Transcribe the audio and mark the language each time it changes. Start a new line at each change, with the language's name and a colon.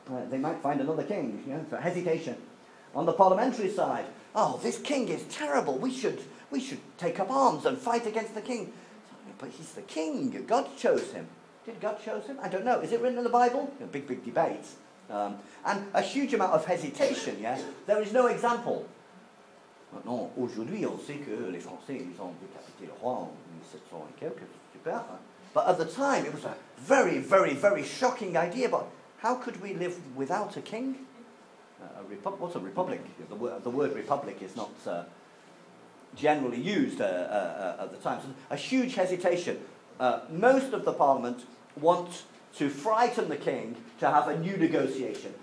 English: They might find another king, yeah? So hesitation. On the parliamentary side, oh, this king is terrible. We should take up arms and fight against the king. But he's the king. God chose him. Did God chose him? I don't know. Is it written in the Bible? A big debate. And a huge amount of hesitation, yeah? There is no example.
French: Maintenant, aujourd'hui, on sait que les Français, ils ont décapité le roi en 1700 et quelques, super. Hein?
English: But at the time, it was a very, very, very shocking idea, but how could we live without a king? What's a republic? The word republic is not generally used at the time. So a huge hesitation. Most of the parliament want to frighten the king to have a new negotiation.